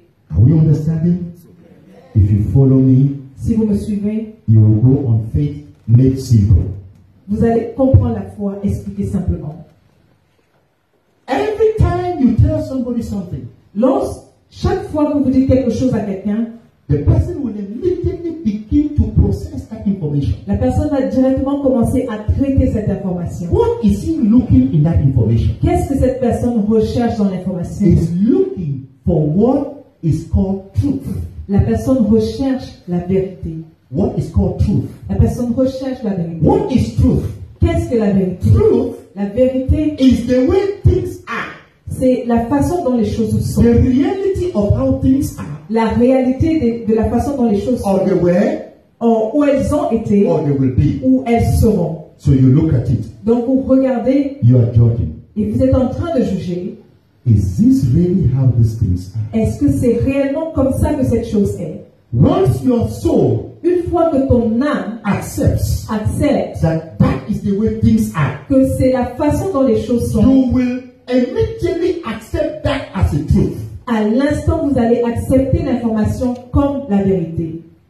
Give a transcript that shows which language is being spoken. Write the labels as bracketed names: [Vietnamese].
[English] Are we understanding? If you follow me, [French] si vous me suivez, [English] you will go on faith made simple. [French] Vous allez comprendre la foi expliquée simplement. [English] Every time you tell somebody something, [French] chaque fois que vous dites quelque chose à quelqu'un, [English] the person will immediately begin to process that information. [French] La personne va directement commencer à traiter cette information. [English] What is he looking in that information? [French] Qu'est-ce que cette personne recherche dans l'information? [English] He's looking for what is called truth. [French] La personne recherche la vérité. [English] What is called truth? [French] La personne recherche la vérité. [English] What is truth? [French] Qu'est-ce que la vérité? [English] Truth. [French] La vérité. [English] Is the way things are. [French] C'est la façon dont les choses sont. [English] The reality of how things are. [French] La réalité de la façon dont les choses [English] sont. Or they were. [French] Or où elles ont été. [English] Or they will be. [French] Où elles seront. [English] So you look at it. [French] Donc vous regardez. [English] You are judging. [French] Et vous êtes en train de juger. [English] Is this really how these things are? [French] Est-ce que c'est réellement comme ça que cette chose est? [English] Once your soul. [French] Une fois que ton âme [English] accepte that is the way things are, [French] que c'est la façon dont les choses sont, [English] you will immediately accept that as a truth. [French] À l'instant, vous allez accepter l'information comme la vérité.